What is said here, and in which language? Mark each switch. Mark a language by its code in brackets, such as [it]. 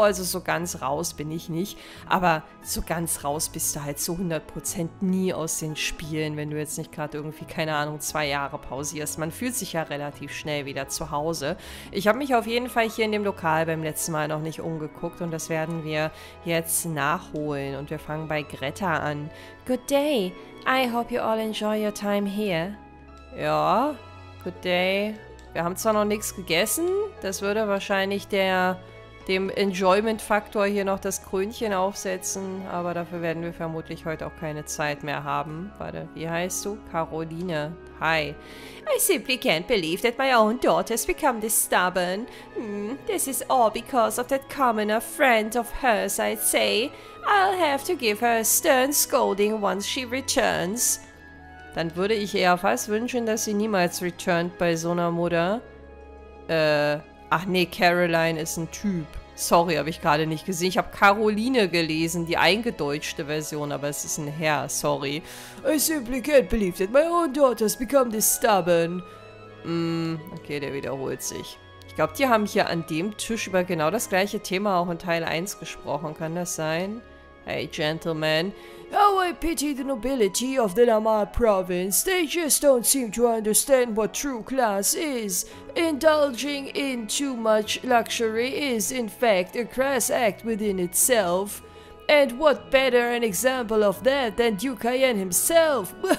[de] Also so ganz raus bin ich nicht. Aber so ganz raus bist du halt zu 100% nie aus den Spielen, wenn du jetzt nicht gerade irgendwie, keine Ahnung, 2 Jahre pausierst. Man fühlt sich ja relativ schnell wieder zu Hause. Ich habe mich auf jeden Fall hier in dem Lokal beim letzten Mal noch nicht umgeguckt und das werden wir jetzt nachholen. Und wir fangen bei Greta an. [en] Good day. I hope you all enjoy your time here. Ja. Good day. [de] Wir haben zwar noch nichts gegessen, das würde wahrscheinlich dem Enjoyment-Faktor hier noch das Krönchen aufsetzen, aber dafür werden wir vermutlich heute auch keine Zeit mehr haben. Warte, wie heißt du? Caroline. Hi. [en] I simply can't believe that my own daughter has become this stubborn. This is all because of that commoner friend of hers, I'd say. I'll have to give her a stern scolding once she returns. [de] Dann würde ich eher fast wünschen, dass sie niemals returnt bei so einer Mutter. Ach nee, Caroline ist ein Typ. Sorry, habe ich gerade nicht gesehen. Ich habe Caroline gelesen, die eingedeutschte Version, aber es ist ein Herr, sorry. [en] I simply can't believe that my own daughter has become this stubborn. [de] Okay, der wiederholt sich. Ich glaube, die haben hier an dem Tisch über genau das gleiche Thema auch in Teil 1 gesprochen. Kann das sein? [en] Hey, Gentlemen. Oh, I pity the nobility of the Lamar Province. They just don't seem to understand what true class is. Indulging in too much luxury is, in fact, a crass act within itself. And what better an example of that than Duke Cayenne himself?